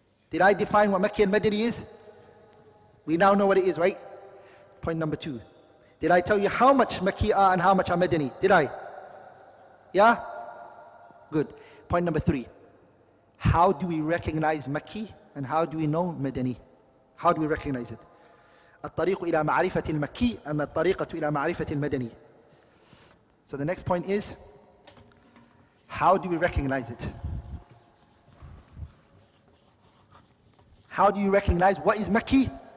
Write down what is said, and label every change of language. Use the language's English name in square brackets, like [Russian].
[English] Did I define what Makki and Madani is? We now know what it is, right? Point number two. Did I tell you how much Makki are and how much are Madani? Did I? Yeah? Good. Point number three. How do we recognize Makki and how do we know Madani? How do we recognize it? [Arabic] الطريق إلى معرفة المكي أن الطريقة إلى معرفة المدني. [English] So the next point is, how do we recognize it? How do you recognize what is Makki?